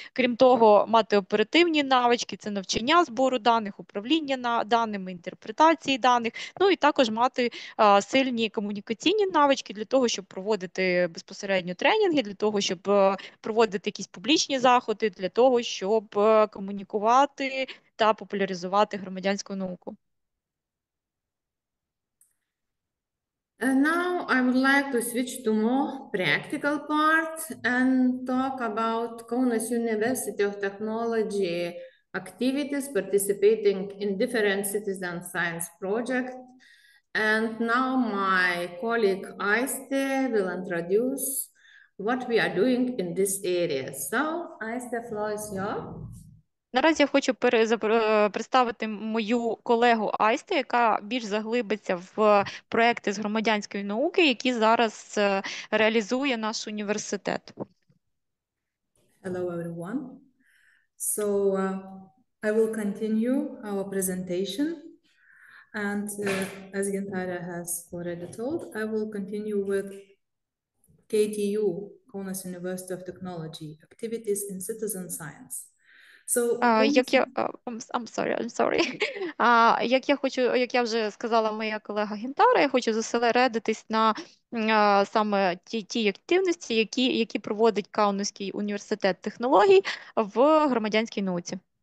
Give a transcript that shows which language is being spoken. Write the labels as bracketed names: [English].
[Ukrainian] Крім того, мати оперативні навички, це навчання збору даних, управління даними, інтерпретації даних, і також мати сильні комунікаційні навички для того, щоб проводити безпосередньо тренінги, для того, щоб проводити якісь публічні заходи, для того, щоб комунікувати та популяризувати громадянську науку. [English] And now I would like to switch to more practical part and talk about Kaunas University of Technology activities participating in different citizen science projects. And now my colleague Aiste will introduce what we are doing in this area. So Aiste, floor is yours. [Ukrainian] Наразі я хочу представити мою колегу Аісту, яка більш заглибиться в проекти з громадянської науки, які зараз реалізує наш університет. [English] Hello everyone. So I will continue our presentation. And as Gintarė has already told, I will continue with KTU, Kaunas University of Technology, activities in citizen science. So, I'm sorry. [Ukrainian] Як я вже сказала, моя колега Гінтара, я хочу зосередитись на саме ті активності, які проводить Каунаський університет технологій в громадянській науці.